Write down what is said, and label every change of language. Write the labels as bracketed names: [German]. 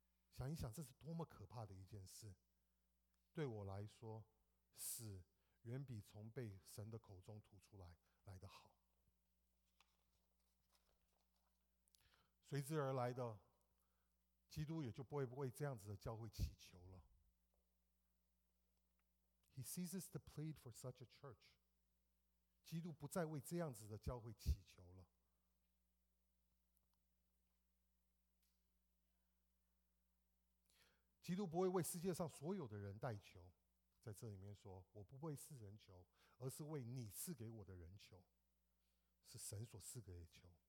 [Chinese] 想一想，这是多么可怕的一件事。对我来说，死远比从被神的口中吐出来来得好。随之而来的，基督也就不会为这样子的教会祈求了。 [English] He ceases to plead for such a church. [Chinese] 基督不再为这样子的教会祈求了。基督不会为世界上所有的人代求，在这里面说，我不为世人求，而是为你赐给我的人求，是神所赐给的求。